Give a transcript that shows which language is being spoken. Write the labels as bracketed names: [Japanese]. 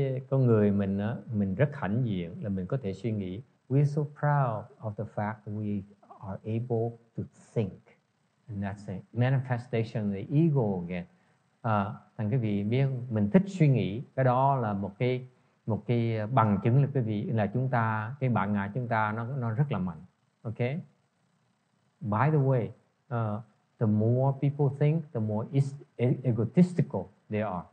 [Vietnamese] con người mình á, mình rất hãnh diện là mình có thể suy nghĩ. [English] We're so proud of the fact that we are able to think, and that's a manifestation of the ego again. [Vietnamese] Thằng quý vị biết mình thích suy nghĩ, cái đó là một cái bằng chứng là quý vị là chúng ta, cái bản ngã chúng ta nó rất là mạnh. [English] Okay. By the way, the more people think, the more egotistical they are.